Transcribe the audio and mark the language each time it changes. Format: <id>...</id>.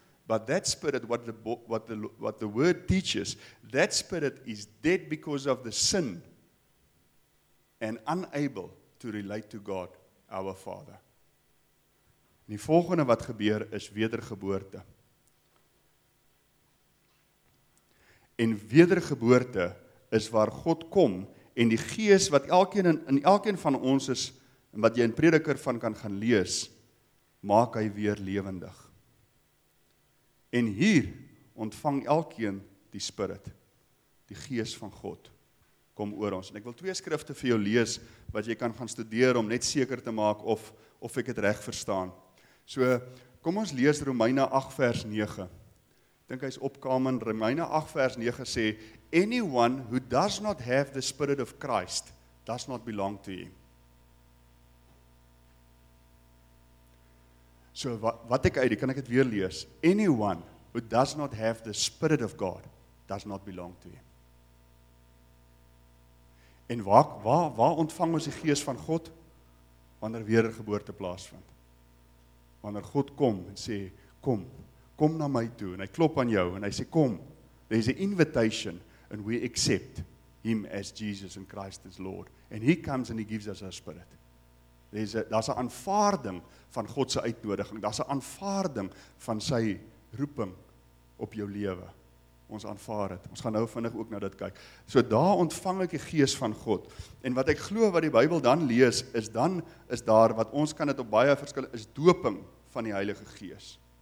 <en>But that spirit, what the word teaches, that spirit is dead because of the sin and unable to relate to God, our Father.</en> <af>En die volgende wat gebeur is wedergeboorte. En wedergeboorte is waar God kom en die gees wat elkeen in elkeen van ons is, en wat jy in Prediker van kan gaan lees, maak hy weer lewendig. En hier ontvang elkeen die Spirit, die gees van God, kom oor ons. En ek wil twee skrifte vir jou lees, wat jy kan gaan studeer om net seker te maak of ek het reg verstaan. So, kom ons lees Romeine 8 vers 9. Ek dink hy is opkamend. Romeine 8 vers 9 sê,</af> <en>anyone who does not have the Spirit of Christ, does not belong to him.</en> <af>So wat ek uit, kan ek het weer lees?</af> <en>Anyone who does not have the Spirit of God, does not belong to him.</en> <af>En waar ontvang ons die gees van God? Wanneer wedergeboorte plaasvind. Wanneer God kom en sê, kom na my toe, en hy klop aan jou, en hy sê, kom,</af> <en>there is an invitation, and we accept him as Jesus and Christ as Lord. And he comes and he gives us our spirit.</en> <af>Daar's 'n aanvaarding van God se uitnodiging, daar's 'n aanvaarding van sy roeping op jou lewe. Ons aanvaar dit. Ons gaan nou vinnig ook na dit kyk. So daar ontvang ek die gees van God. En wat ek glo wat die Bybel dan lees, is dan is daar, wat ons kan dit op baie verskille, is doping van die Heilige Gees.</af>